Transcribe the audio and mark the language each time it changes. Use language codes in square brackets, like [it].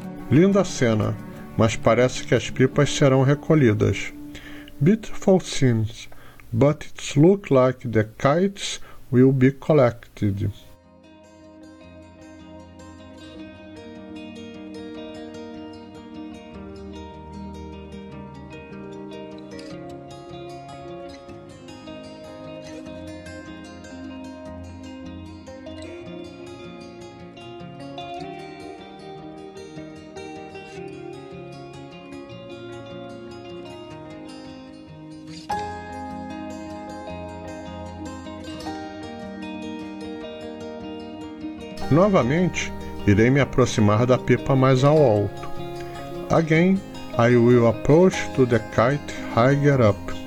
[pt] Linda cena, mas parece que as pipas serão recolhidas. [en] Beautiful scenes, but it looks like the kites will be collected. [pt] Novamente, irei me aproximar da pipa mais ao alto. [en] Again, I will approach to the kite higher up.